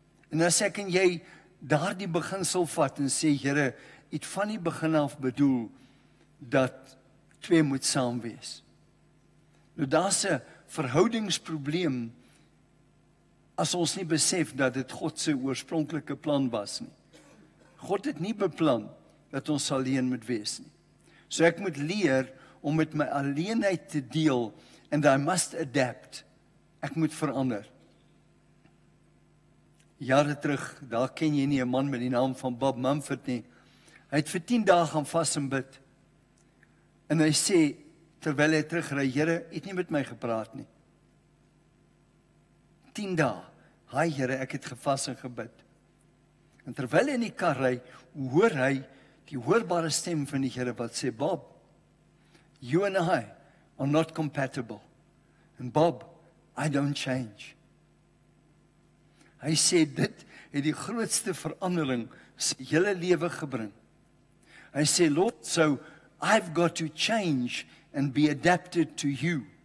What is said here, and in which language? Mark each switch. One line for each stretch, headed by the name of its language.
Afrikaans: En as ek en jy daar die beginsel vat en sê, Here, het van die begin af bedoel, dat twee moet saam wees. Nou daar's 'n verhoudingsprobleem, as ons nie besef dat dit God se oorspronklike plan was nie. God het nie beplan dat ons alleen moet wees nie. So ek moet leer om met my alleenheid te deel,
English: and I must adapt.
Afrikaans: Ek moet verander. Jare terug, daar ken jy nie 'n man met die naam van Bob Mumford nie. Hy het vir 10 dae gaan vas en bid. En hy sê, terwyl hy terugry, Here, jy het nie met my gepraat nie. 10 dae, hy, Here, ek het gevas en gebid. En terwyl hy in die kar ry, hoor hy die hoorbare stem van die Here wat sê,
English: Bob, you and I are not compatible. And Bob, I don't change.
Afrikaans: Hy sê, dit het die grootste verandering sy hele lewe gebring. Hy sê,
English: Lord, so I've got to change and be adapted to you.